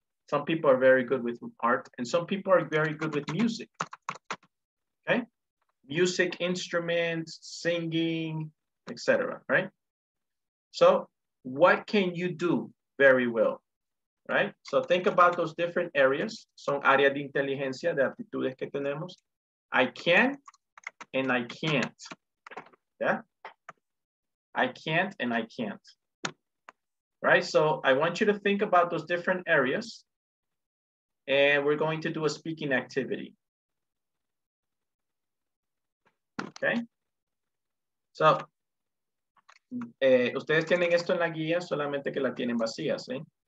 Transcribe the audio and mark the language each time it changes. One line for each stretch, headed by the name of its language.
English: Some people are very good with art and some people are very good with music, okay? Music instruments, singing, etc. Right? So what can you do very well, right? So think about those different areas.
Spanish: Son áreas de inteligencia, de aptitudes que tenemos.
English: I can and I can't, yeah? I can't and I can't. Right, so I want you to think about those different areas and we're going to do a speaking activity.
Spanish: Okay, so ustedes tienen esto en la guía, solamente que la tienen vacía, ¿sí?